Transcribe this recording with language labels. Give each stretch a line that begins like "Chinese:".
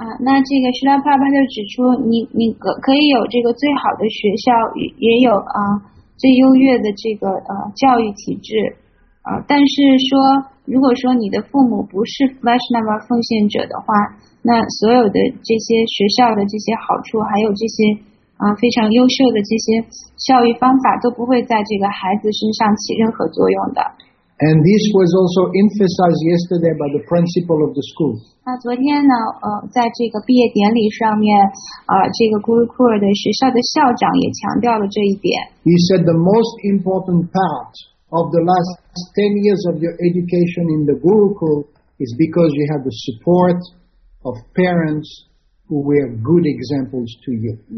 Chinese: 那这个Srila Prabhupada就指出，你可以有这个最好的学校，也有最优越的这个教育体制，但是说，如果说你的父母不是Vaishnava奉献者的话，那所有的这些学校的这些好处，还有这些非常优秀的这些教育方法，都不会在这个孩子身上起任何作用的。
English: And this was also emphasized yesterday by the principal of the school.
Chinese: 那昨天呢，在这个毕业典礼上面，这个Gurukul的学校的校长也强调了这一点。
English: He said the most important part of the last 10 years of your education in the Gurukul is because you have the support of parents who were good examples to you.